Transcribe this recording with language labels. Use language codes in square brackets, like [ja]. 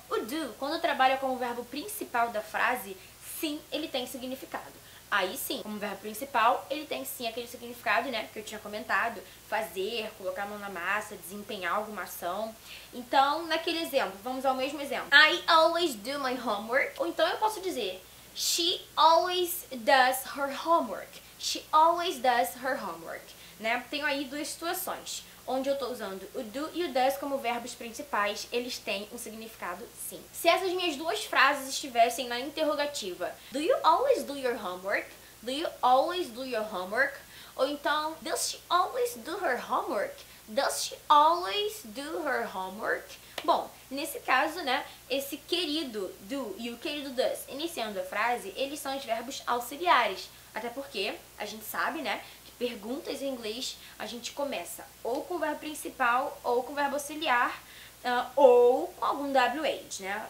[pt] O do, quando trabalha como verbo principal da frase, sim, ele tem significado. Aí sim, como verbo principal, ele tem sim aquele significado, né, que eu tinha comentado. Fazer, colocar a mão na massa, desempenhar alguma ação. Então, naquele exemplo, vamos ao mesmo exemplo. [en] I always do my homework. Ou então eu posso dizer, she always does her homework. She always does her homework. [pt] Né? Tenho aí duas situações, onde eu tô usando o do e o does como verbos principais, eles têm um significado sim. Se essas minhas duas frases estivessem na interrogativa, [en] do you always do your homework? Do you always do your homework? Ou então, does she always do her homework? Does she always do her homework? [pt] Bom, nesse caso, né, esse querido do e o querido does iniciando a frase, eles são os verbos auxiliares. Até porque, a gente sabe, né, perguntas em inglês, a gente começa ou com o verbo principal, ou com o verbo auxiliar, ou com algum WH, né?